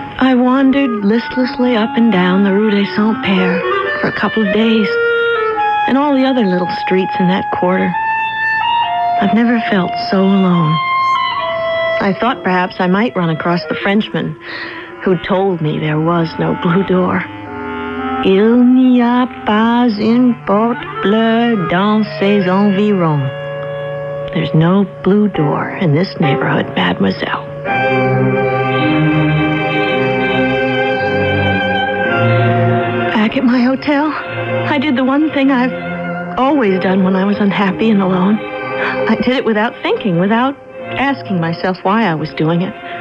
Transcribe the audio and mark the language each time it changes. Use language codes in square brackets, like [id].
[en] I wandered listlessly up and down the Rue des Saints-Pères for a couple of days, and all the other little streets in that quarter. I've never felt so alone. I thought perhaps I might run across the Frenchman who told me there was no blue door. [fr] Il n'y a pas une porte bleue dans ces environs. [en] There's no blue door in this neighborhood, mademoiselle. Back at my hotel, I did the one thing I've always done when I was unhappy and alone. I did it without thinking, without asking myself why I was doing it.